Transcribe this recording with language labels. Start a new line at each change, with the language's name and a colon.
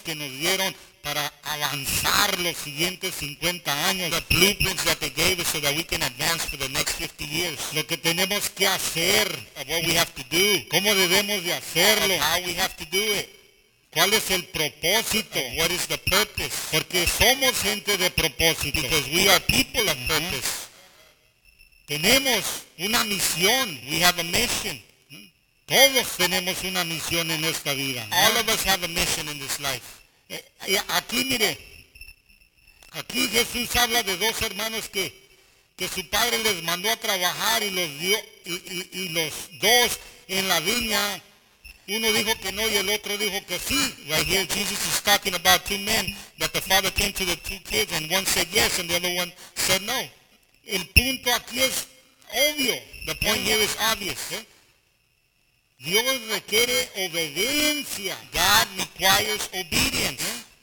Spanish: que nos dieron para avanzar los siguientes 50 años.
English: The blueprints that they gave us so that we can advance for the next 50 years.
Spanish: Lo que tenemos que hacer.
English: Of what we have to do.
Spanish: Cómo debemos de hacerlo.
English: Of how we have to do it.
Spanish: ¿Cuál es el propósito?
English: Of what is the purpose.
Spanish: Porque somos gente de propósito.
English: Because we are people of purpose.
Spanish: Tenemos una misión.
English: We have a mission.
Spanish: Todos tenemos una misión en esta vida.
English: All of us have a mission in this life.
Spanish: Aquí mire, aquí Jesús habla de dos hermanos que su padre les mandó a trabajar y los dio y los dos en la viña. Uno dijo que no y el otro dijo que sí.
English: Right here, Jesus is talking about two men that the father came to the two kids and one said yes and the other one said no.
Spanish: El punto aquí es obvio.
English: The point here is obvious. ¿Eh?
Spanish: Dios requiere obediencia.
English: God requires obedience.